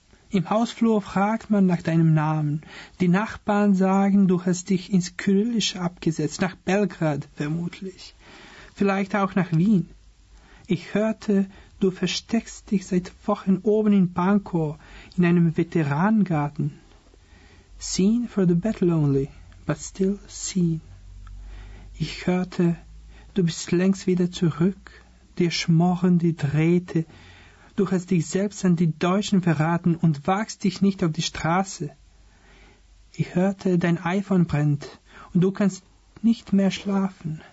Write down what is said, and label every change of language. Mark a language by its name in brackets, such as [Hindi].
[German] Im Hausflur fragt man nach deinem Namen. Die Nachbarn sagen, du hast dich ins Kyrillische abgesetzt, nach Belgrad vermutlich. Vielleicht auch nach Wien. Ich hörte, du versteckst dich seit Wochen oben in Bangkok in einem Veteranengarten. [English] Seen for the battle only, but still seen. [German] Ich hörte, du bist längst wieder zurück, dir schmorren die Drähte. Du hast dich selbst an die Deutschen verraten und wagst dich nicht auf die Straße. Ich hörte, dein iPhone brennt und du kannst nicht mehr schlafen.